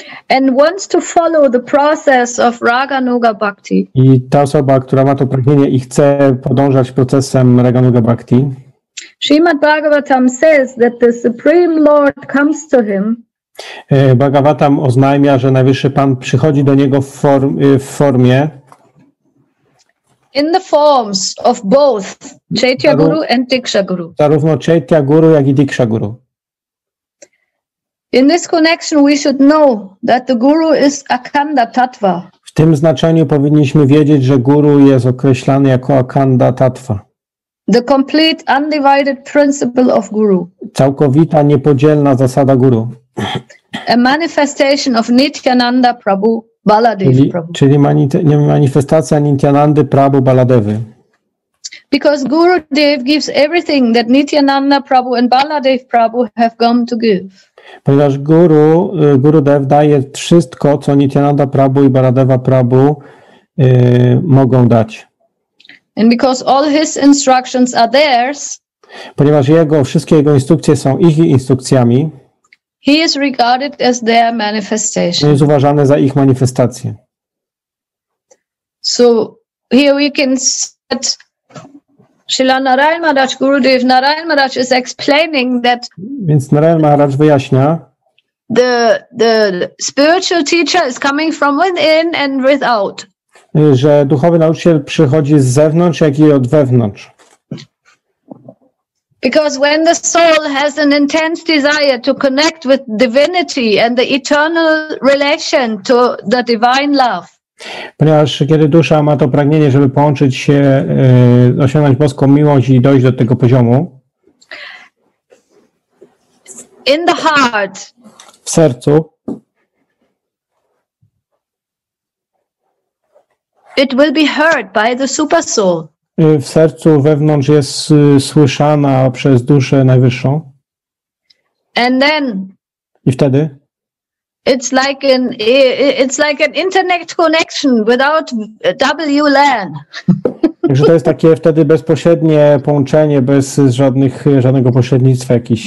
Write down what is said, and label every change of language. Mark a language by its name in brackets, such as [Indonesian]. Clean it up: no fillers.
[English] And wants to follow the process of Raganuga Bhakti. [Polish] I ta osoba, która ma to pragnienie i chce podążać procesem Raganuga Bhakti. [English] Srimad Bhagavatam says that the Supreme Lord comes to him. [Polish] Bhagavatam oznajmia, że Najwyższy Pan przychodzi do niego w formie. [English] In the forms of both Chaitya Guru and Diksha Guru. [Polish] Zarówno Chaitya Guru, jak i Diksha Guru. [English] In this connection we should know that the Guru is Akanda Tattva. [Polish] W tym znaczeniu powinniśmy wiedzieć, że Guru jest określany jako Akanda Tattva. [English] The complete undivided principle of Guru. [Polish] Całkowita, niepodzielna zasada Guru. [English] A manifestation of Nityananda Prabhu. [Polish] Czyli manifestacja Nityanandy Prabhu Baladevy. [English] Because Guru Dev gives everything that Nityananda Prabhu and Baladev Prabhu have come to give. [Polish] Ponieważ Guru Dev daje wszystko, co Nityananda Prabhu i Baladeva Prabhu mogą dać. [English] And because all his instructions are theirs. [Polish] Ponieważ wszystkie jego instrukcje są ich instrukcjami. [English] He is regarded as their manifestation. [Polish] Jest uważany za ich manifestację. [English] So here we can see Srila Narayan Maharaj Gurudev. Narayan Maharaj is explaining that. [Polish] Więc Narayan Maharaj wyjaśnia. [English] The spiritual teacher is coming from within and without. [Polish] Że duchowy nauczyciel przychodzi z zewnątrz, jak i od wewnątrz. [English] Because when the soul has an intense desire to connect with divinity and the eternal relation to the divine love. [Polish] Ponieważ kiedy dusza ma to pragnienie, żeby połączyć się, osiągnąć boską miłość i dojść do tego poziomu. [English] In the heart. [Polish] W sercu. [English] It will be heard by the super soul. [Polish] W sercu wewnątrz jest słyszana przez duszę najwyższą. [English] And then, [Polish] i wtedy [English] it's like an internet connection without WLAN. [Polish] Także to jest takie wtedy bezpośrednie połączenie bez żadnego pośrednictwa jakichś.